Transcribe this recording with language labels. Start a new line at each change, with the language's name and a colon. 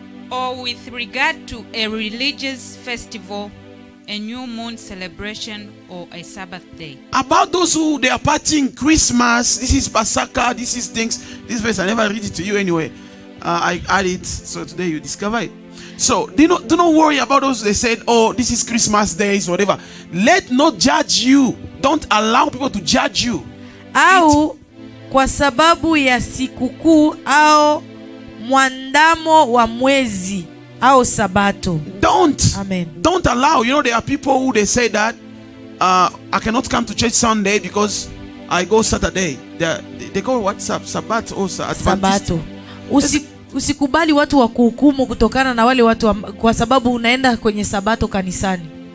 English: Or with regard to a religious festival, a new moon celebration or a Sabbath day. About those who they are partying Christmas, this is Pasaka, this is things. This verse, I never read it to you anyway. I add it, so today you discover it. So, do not worry about those they said, oh, this is Christmas days, whatever. Let not judge you. Don't allow people to judge you.
Swahili: Au kwa sababu ya sikukuu au mwandamo wa mwezi au sabato.
English: Don't. Amen. Don't allow. You know there are people who they say that I cannot come to church Sunday because I go Saturday. They call what sabato or Adventist.
Swahili: Sabato. Usikubali watu wa kuhukumu kutokana na wale watu kwa sababu unaenda kwenye sabato kanisani.